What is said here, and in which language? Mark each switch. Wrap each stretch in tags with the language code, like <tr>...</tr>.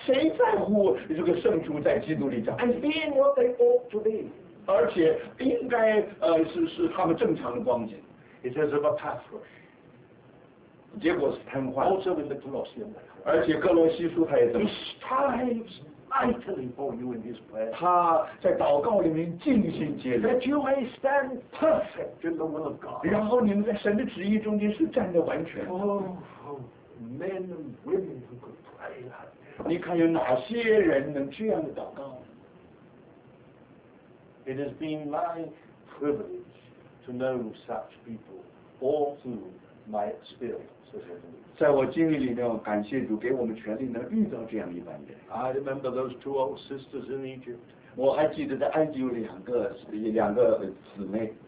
<zh>谁在乎这个圣徒在基督里长</zh> <en>And being what they ought to be</en> <zh>而且应该是他们正常的光景</zh> <en>It says of Epaphras</en> <zh>结果是瘫痪</zh> <en>Also in the Colossian letter</en> <zh>而且哥罗西书他也怎么</zh> <en>He strivesmightily for you in his prayer</en> <zh>他在祷告里面尽心竭力</zh> <en>that you may stand perfect in the will of God</en> <zh>然后你们在神的旨意中间是站得完全</zh> <en>oh, men and women who could pray like</en> <zh>你看有哪些人能这样的祷告</zh> <en>it has been my privilege to know such people all through my experience</en> <zh>在我经历里面，感谢主给我们权利能遇到这样一般人。</zh> <en>I remember those two old sisters in Egypt.</en> <zh>我还记得在埃及有两个姊妹。</zh>